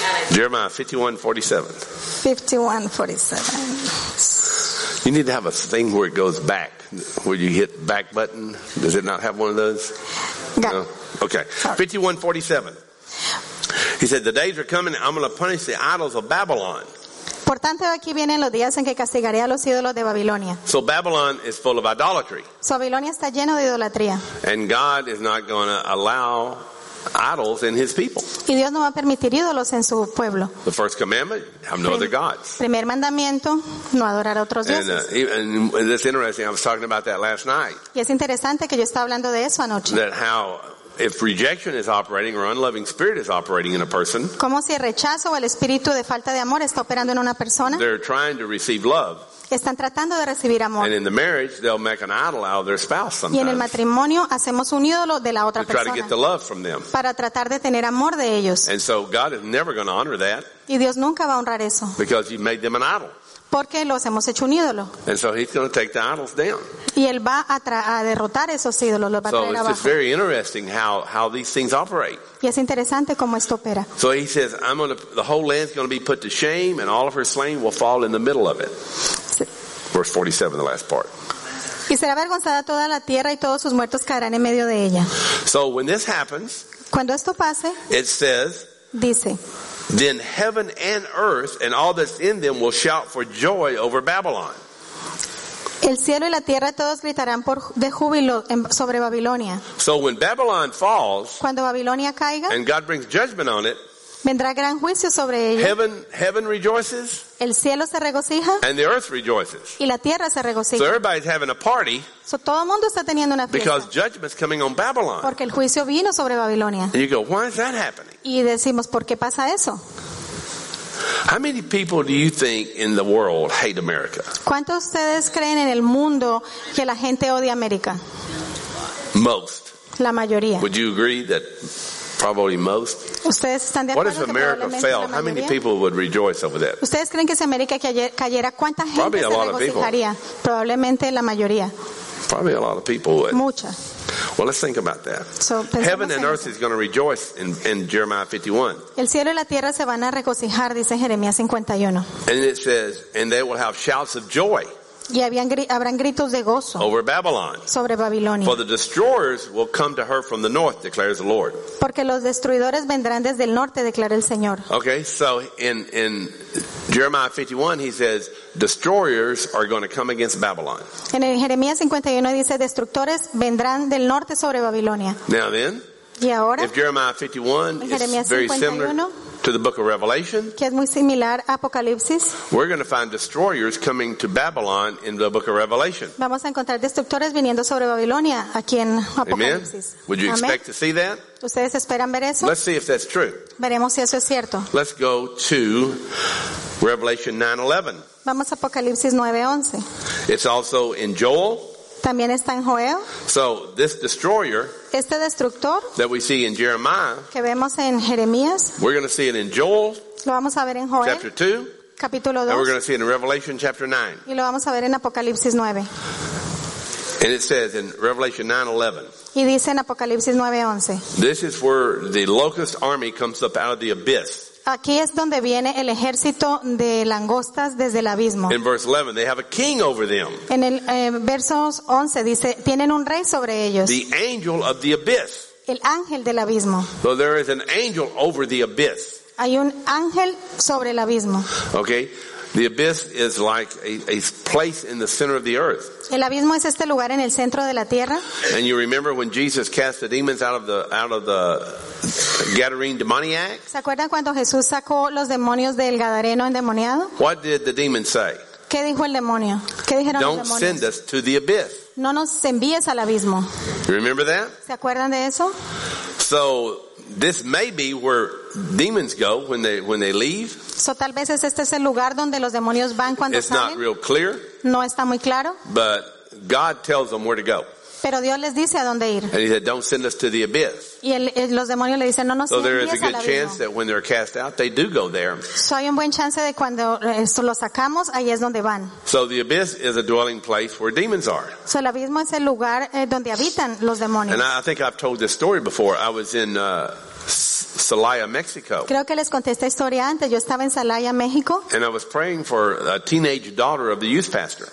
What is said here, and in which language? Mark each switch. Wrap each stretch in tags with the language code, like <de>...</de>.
<en>Jeremiah 51:47. 51:47. You need to have a thing where it goes back. Where you hit back button. Does it not have one of those? No. Okay. 51:47. He said, "The days are coming. I'm going to punish the idols of Babylon."</en> <es>Por tanto, aquí vienen los días en que castigaré a los ídolos de Babilonia.</es> <en>So Babylon is full of idolatry.</en> <es>So Babilonia está lleno de idolatría.</es> <en>And God is not going to allow idols in his people.</en> <es>Y Dios no va a permitir ídolos en su pueblo.</es> <en>The first commandment, have no other gods.</en> <es>Primer mandamiento, no adorar a otros dioses.</es> <en>And it's interesting, I was talking about that last night.</en> <es>Y es interesante que yo estaba hablando de eso anoche.</es> <en>That how if rejection is operating or unloving spirit is operating in a person,</en> <es>como si el rechazo o el espíritu de falta de amor está operando en una persona,</es> <en>they're trying to receive love.</en> <es>Están tratando de recibir amor.</es> <en>And in the marriage, they'll make an idol out of their spouse sometimes.</en> <es>Y en el matrimonio hacemos un ídolo de la otra persona.</es> <en>To try to get the love from them.</en> <es>Para tratar de tener amor de ellos.</es> <en>And so God is never going to honor that.</en> <es>Y Dios nunca va a honrar eso.</es> <en>Because you made them an idol.</en> <es>Porque los hemos hecho un ídolo.</es> <en>And so he's going to take the idols down.</en> <es>Y él va a derrotar esos ídolos, los va a traer abajo.</es> <en>So it's very interesting how these things operate.</en> <es>Y es interesante cómo esto opera.</es> <en>So he says, the whole land's going to be put to shame, and all of her slain will fall in the middle of it. Verse 47, the last part.</en> <es>Y será avergonzada toda la tierra y todos sus muertos caerán en medio de ella.</es> <en>So when this happens,</en> <es>cuando esto pase,</es> <en>it says,</en> <es>dice,</es> <en>then heaven and earth and all that's in them will shout for joy over Babylon.</en> <es>El cielo y la tierra todos gritarán de júbilo sobre Babilonia.</es> <en>So when Babylon falls,</en> <es>cuando Babilonia caiga,</es> <en>and God brings judgment on it,</en> <es>vendrá gran juicio sobre ella.</es> <en>Heaven rejoices.</en> <es>El cielo se regocija.</es> <en>And the earth rejoices.</en> <es>Y la tierra se regocija.</es> <en>So everybody's having a party.</en> <es>So todo el mundo está teniendo una fiesta.</es> <en>Because judgment's coming on Babylon.</en> <es>Porque el juicio vino sobre Babilonia.</es> <en>And you go, why is that happening?</en> <es>Y decimos, ¿por qué pasa eso?</es> <en>How many people do you think in the world hate America?</en> <es>¿Cuántos ustedes creen en el mundo que la gente odia América?</es> <en>Most.</en> <es>La mayoría.</es> <en>Would you agree that probably most?</en> <es>¿Ustedes están de acuerdo?</es> <en>What if America fell? How many people would rejoice over that?</en> <es>¿Ustedes creen que si América cayera, cuánta gente</es> <en>probably</en> <es>se regocijaría? Probablemente la mayoría.</es> <en>Probably a lot of people would.</en> <es>Mucha.</es> <en>Well, let's think about that. So, heaven and earth is going to rejoice in Jeremiah 51.</en> <es>El cielo y la tierra se van a regocijar, dice Jeremías 51.</es> <en>And it says, and they will have shouts of joy.</en> <es>Y habrán gritos de gozo</es> <en>over Babylon.</en> <es>Sobre Babilonia.</es> <en>For the destroyers will come to her from the north, declares the Lord.</en> <es>Porque los destruidores vendrán desde el norte, declara el Señor.</es> <en>Okay, so in Jeremiah 51 he says destroyers are going to come against Babylon.</en> <es>En Jeremías 51 dice destructores vendrán del norte sobre Babilonia.</es> <en>Now then,</en> <es>¿y ahora?</es> <en>If Jeremiah 51 is very similar to the book of Revelation,</en> <es>que es muy similar a Apocalipsis,</es> <en>we're going to find destroyers coming to Babylon in the book of Revelation.</en> <es>Vamos a encontrar destructores viniendo sobre Babilonia aquí en Apocalipsis.</es> <en>Amen. Would you expect To see that?</en> <es>¿Ustedes esperan ver eso?</es> <en>Let's see if that's true.</en> <es>Veremos si eso es cierto.</es> <en>Let's go to Revelation 9:11.</en> <es>Vamos a Apocalipsis 9:11.</es> <en>It's also in Joel.</en> <es>También está en Joel.</es> <en>So this destroyer,</en> <es>este destructor,</es> <en>that we see in Jeremiah,</en> <es>que vemos en Jeremías,</es> <en>we're going to see it in Joel,</en> <es>lo vamos a ver en Joel,</es> <en>chapter 2,</en> <es>capítulo 2,</es> <en>and we're going to see it in Revelation chapter 9.</en> <es>Y lo vamos a ver en Apocalipsis 9.</es> <en>And it says in Revelation 9:11.</en> <es>Y dice en Apocalipsis 9:11.</es> <en>This is where the locust army comes up out of the abyss.</en> <es>Aquí es donde viene el ejército de langostas desde el abismo.</es> <en>In verse 11, they have a king over them.</en> <es>En el verso 11 dice, tienen un rey sobre ellos.</es> <en>The angel of the abyss.</en> <es>El ángel del abismo.</es> <en>So there is an angel over the abyss.</en> <es>Hay un ángel sobre el abismo.</es> <en>Okay. The abyss is like a place in the center of the earth.</en> <es>El abismo es este lugar en el centro de la tierra.</es> <en>And you remember when Jesus cast the demons out of the Gadarene demoniac?</en> <es>¿Se acuerdan cuando Jesús sacó los demonios del gadareno endemoniado?</es> <en>What did the demon say?</en> <es>¿Qué dijo el demonio? ¿Qué dijeron los demonios?</es> <en>Don't send us to the abyss.</en> <es>No nos envíes al abismo.</es> <en>You remember that?</en> <es>¿Se acuerdan de eso?</es> <en>So this may be where demons go when they leave.</en> <es>So tal vez este es el lugar donde los demonios van cuando salen.</es> <en>It's not real clear.</en> <es>No está muy claro.</es> <en>But God tells them where to go.</en> <es>Pero Dios les dice a dónde ir.</es> <en>And he said, "Don't send us to the abyss."</en> <es>Y los demonios le dicen, "No nos envíes al abismo."</es> <en>So there is a good chance that when they're cast out, they do go there.</en> <es>So hay un buen chance de cuando esto lo sacamos, ahí es donde van.</es> <en>So the abyss is a dwelling place where demons are.</en> <es>So el abismo es el lugar donde habitan los demonios.</es> <en>And I think I've told this story before. I was in Celaya, Mexico.</en> <es>Creo que les conté esta historia antes. Yo estaba en Celaya, México.</es> <en>And I was praying for a teenage daughter of the youth pastor.</en>